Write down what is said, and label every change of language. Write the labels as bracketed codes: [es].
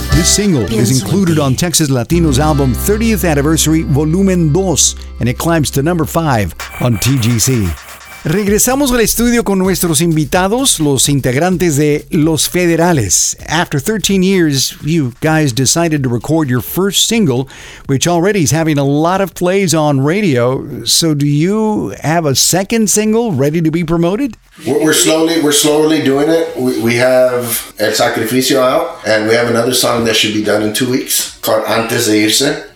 [en] This single is included on Texas Latino's album 30th Anniversary Volumen 2, and it climbs to number 5 on TGC. [es] Regresamos al estudio con nuestros invitados, los integrantes de Los Federales. [en] After 13 years, you guys decided to record your first single, which already is having a lot of plays on radio. So do you have a second single ready to be promoted? We're slowly doing it. We have El Sacrificio out, and we have another song that should be done in 2 weeks called Antes de Irse.